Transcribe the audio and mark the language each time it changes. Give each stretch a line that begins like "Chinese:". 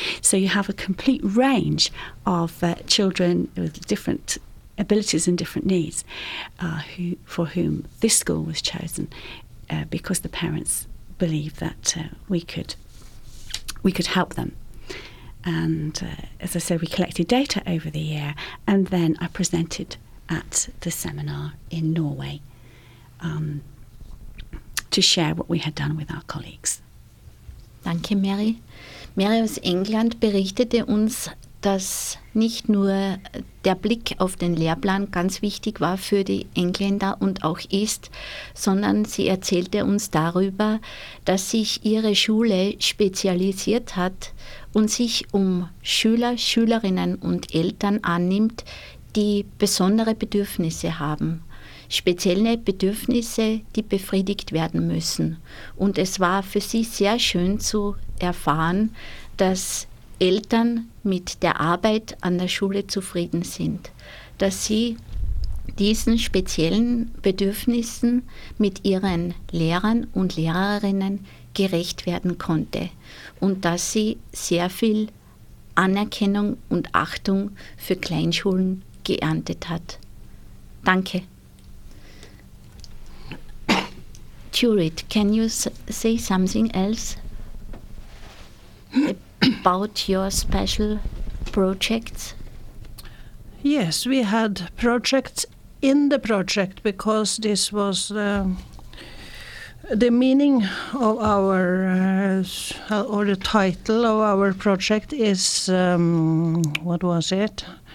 English: So you have a complete range of children with different abilities and different needs for whom this school was chosen because the parents believe that we could help them. And as I said, we collected data over the year, and then I presented at the seminar in Norway to share what we had done with our colleagues.
German: Danke, Mary. Mary aus England berichtete uns, dass nicht nur der Blick auf den Lehrplan ganz wichtig war für die Engländer und auch ist, sondern sie erzählte uns darüber, dass sich ihre Schule spezialisiert hat und sich um Schüler, Schülerinnen und Eltern annimmt, die besondere Bedürfnisse haben. spezielle Bedürfnisse, die befriedigt werden müssen. Und es war für sie sehr schön zu erfahren, dass Eltern mit der Arbeit an der Schule zufrieden sind, dass sie diesen speziellen Bedürfnissen mit ihren Lehrern und Lehrerinnen gerecht werden konnte und dass sie sehr viel Anerkennung und Achtung für Kleinschulen geerntet hat. Danke.
English: Jurid, can you say something else about your special projects? Yes, we had projects in the project because this was the meaning of our or the title of our project is what was it?